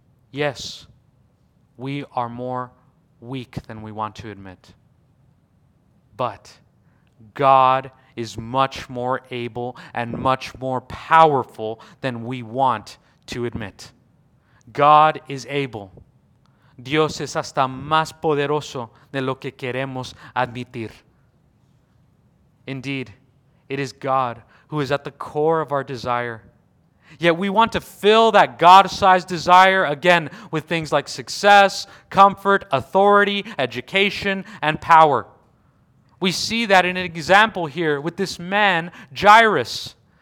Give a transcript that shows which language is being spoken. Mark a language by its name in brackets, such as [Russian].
[English] Yes, we are more weak than we want to admit. But God is much more able and much more powerful than we want to admit. God is able. [Spanish] Dios es hasta más poderoso de lo que queremos admitir. [English] Indeed, it is God who is at the core of our desire. Yet we want to fill that God-sized desire again with things like success, comfort, authority, education, and power. We see that in an example here with this man, Jairus.